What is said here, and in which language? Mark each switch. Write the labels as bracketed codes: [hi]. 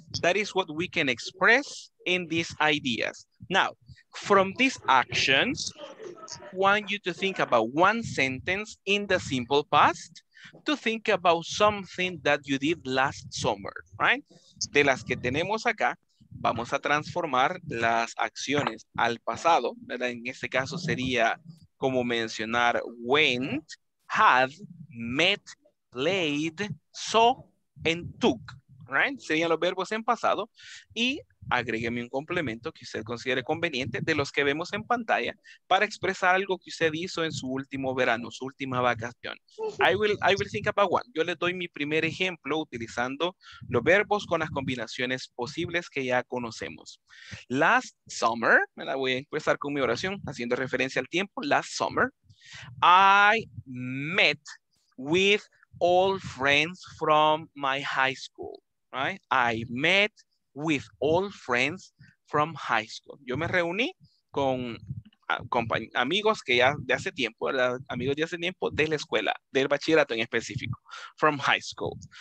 [en] That is what we can express in these ideas. Now, from these actions, I want you to think about one sentence in the simple past to think about something that you did last summer, right? [es] De las que tenemos acá, vamos a transformar las acciones al pasado, ¿verdad? En este caso sería como mencionar [en] went, had, met, played, saw, and took, right? [es] Serían los verbos en pasado. Y agrégueme un complemento que usted considere conveniente de los que vemos en pantalla para expresar algo que usted hizo en su último verano, su última vacación. [en] I will think about one. [es] Yo le doy mi primer ejemplo utilizando los verbos con las combinaciones posibles que ya conocemos. [en] Last summer, [es] me la voy a empezar con mi oración haciendo referencia al tiempo. [en] Last summer, I met with all friends from my high school, right? I met with all friends from high school. [es] Yo me reuní con amigos que ya de hace tiempo, ¿verdad? Amigos de hace tiempo de la escuela, del bachillerato en específico, [en] from high school.